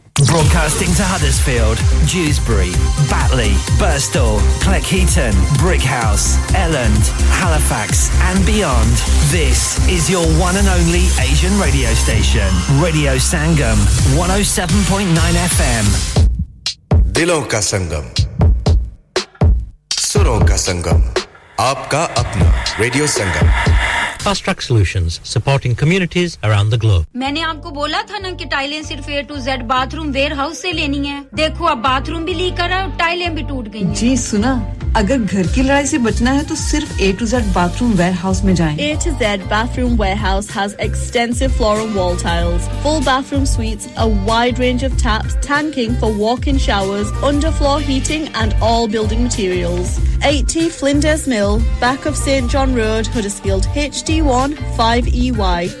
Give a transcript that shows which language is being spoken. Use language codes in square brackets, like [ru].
[en] Broadcasting to Huddersfield, Dewsbury, Batley, Birstall, Cleckheaton, Brickhouse, Elland, Halifax and beyond. This is your one and only Asian radio station. Radio Sangam, 107.9 FM. [hi] दिलों का संगम सुरों का संगम आपका अपना radio Sangam [en] Fast Track Solutions, supporting communities around the globe. [hi] मैंने आपको बोला था ना कि टाइलें सिर्फ A to Z bathroom warehouse से लेनी है देखो अब बाथरूम भी लीक कर रहा है और टाइलें भी टूट गई जी सुना अगर घर की लड़ाई से बचना है तो सिर्फ A to Z bathroom warehouse में जाएं [en] A to Z bathroom warehouse has extensive floor and wall tiles, full bathroom suites, a wide range of taps, tanking for walk-in showers, underfloor heating and all building materials. 80 Flinders Mill, back of St John Road, Huddersfield, HD1 5EY.